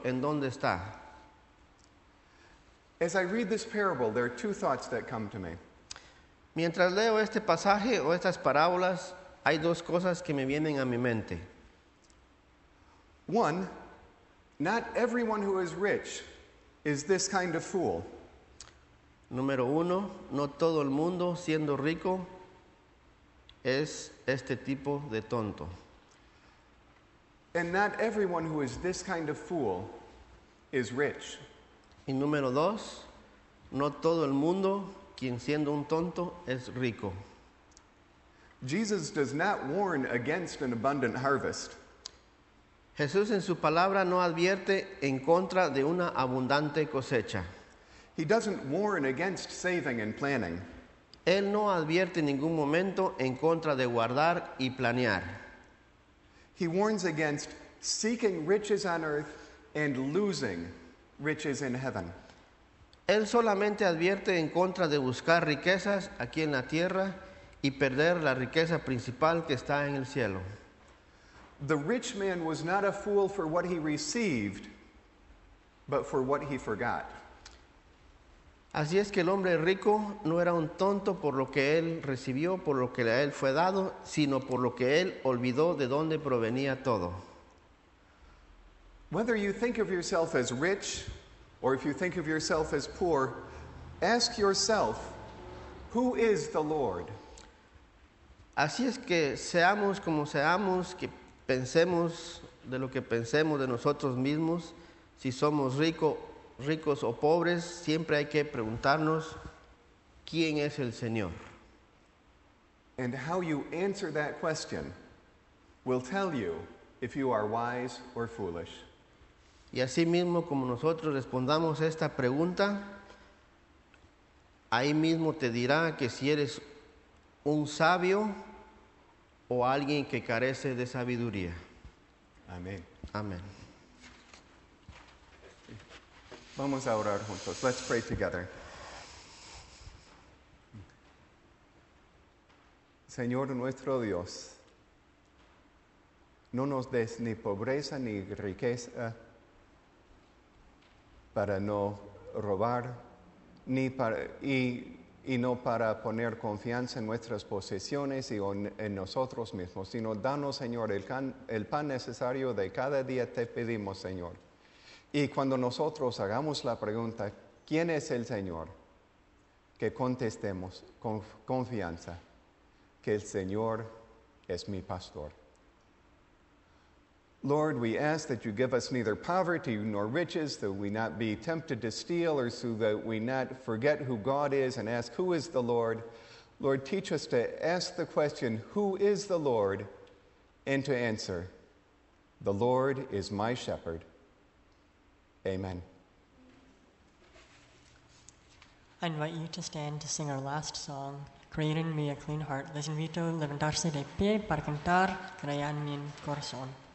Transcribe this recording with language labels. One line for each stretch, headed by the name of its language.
Spanish: ¿En dónde está?
English: As I read this parable, there are two thoughts that come to me.
Spanish: Mientras leo este pasaje o estas parábolas, hay dos cosas que me vienen a mi mente.
English: One, not everyone who is rich is this kind of fool.
Spanish: Número uno, no todo el mundo siendo rico es este tipo de tonto.
English: And not everyone who is this kind of fool is rich.
Spanish: Y número dos, no todo el mundo, quien siendo un tonto, es rico.
English: Jesus does not warn against an abundant harvest.
Spanish: Jesús en su palabra no advierte en contra de una abundante cosecha.
English: He doesn't warn against saving and planning.
Spanish: Él no advierte en ningún momento en contra de guardar y planear.
English: He warns against seeking riches on earth and losing riches in heaven.
Spanish: Él solamente advierte en contra de buscar riquezas aquí en la tierra y perder la riqueza principal que está en el cielo.
English: The rich man was not a fool for what he received, but for what he forgot.
Spanish: Así es que el hombre rico no era un tonto por lo que él recibió, por lo que a él fue dado, sino por lo que él olvidó de dónde provenía todo.
English: Whether you think of yourself as rich or if you think of yourself as poor, ask yourself, who is the Lord?
Spanish: Así es que seamos como seamos, que pensemos de lo que pensemos de nosotros mismos, si somos ricos o pobres, siempre hay que preguntarnos, ¿quién es el Señor?
English: And how you answer that question will tell you if you are wise or foolish.
Spanish: Y así mismo como nosotros respondamos a esta pregunta, ahí mismo te dirá que si eres un sabio o alguien que carece de sabiduría. Amén. Amén. Vamos a orar juntos.
English: Let's pray together.
Spanish: Señor nuestro Dios, no nos des ni pobreza ni riqueza para no robar, ni para, y no para poner confianza en nuestras posesiones y en nosotros mismos, sino danos, Señor, el pan necesario de cada día te pedimos, Señor. Y cuando nosotros hagamos la pregunta, ¿quién es el Señor?, que contestemos con confianza, que el Señor es mi pastor.
English: Lord, we ask that you give us neither poverty nor riches, that we not be tempted to steal, or so that we not forget who God is and ask, who is the Lord? Lord, teach us to ask the question, who is the Lord? And to answer, the Lord is my shepherd. Amen. I invite you to stand to sing our last song, Create in Me a Clean Heart.
Spanish: Les invito a levantarse de pie para cantar, Crea en mi corazón.